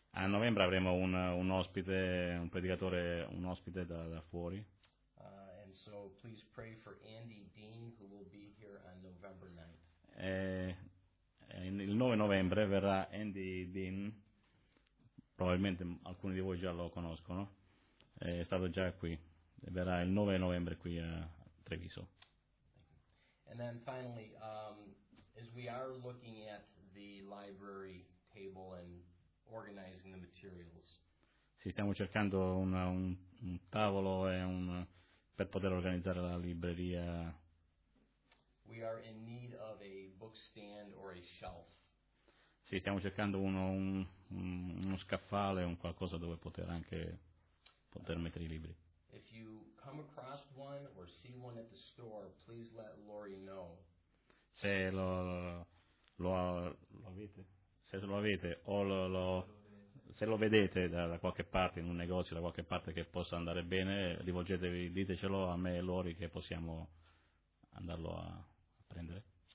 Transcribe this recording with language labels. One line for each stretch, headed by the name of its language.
Italian: A novembre avremo un ospite, un predicatore, un ospite da fuori.
English: And so please pray for Andy Dean who will be here on November 9th.
Italian: Il 9 novembre verrà Andy Dean, probabilmente alcuni di voi già lo conoscono, è stato già qui, verrà il 9 novembre qui a Treviso.
English: And then finally, as we are looking at the library table and organizing the materials.
Italian: Sì, stiamo cercando un tavolo e per poter organizzare la libreria
English: We are in need of a book stand or a shelf.
Italian: Sì, stiamo cercando uno scaffale, un qualcosa dove poter mettere I libri.
English: If you come across one or see one at the store, please let Lori know.
Italian: Se lo avete, se lo avete o lo se lo vedete da qualche parte, in un negozio, da qualche parte che possa andare bene, rivolgetevi, ditecelo a me e Lori che possiamo andarlo a prendere.